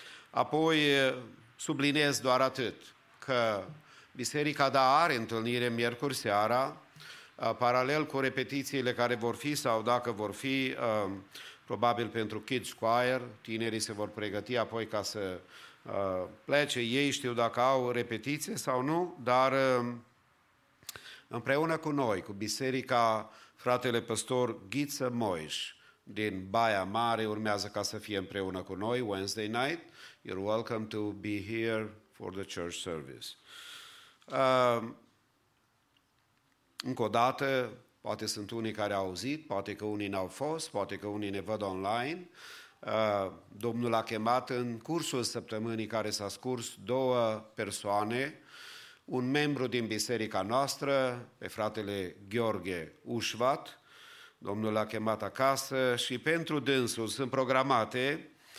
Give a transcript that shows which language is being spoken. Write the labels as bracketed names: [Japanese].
[Romanian] Apoi subliniez doar atât, că biserica da are întâlnire miercuri seara, paralel cu repetițiile care vor fi sau dacă vor fi, probabil pentru Kids Choir, tinerii se vor pregăti apoi ca să plece. Ei știu dacă au repetiție sau nu, dar împreună cu noi, cu biserica, fratele păstor Ghiță Moiș din Baia Mare urmează ca să fie împreună cu noi [English] Wednesday night. You're welcome to be here for the church service. [Romanian] Încă o dată, poate sunt unii care au auzit, poate că unii n-au fost, poate că unii ne văd online. Domnul a chemat în cursul săptămânii care s-a scurs două persoane, un membru din biserica noastră, pe fratele Gheorghe Ușvat, Domnul l-a chemat acasă și pentru dânsul sunt programate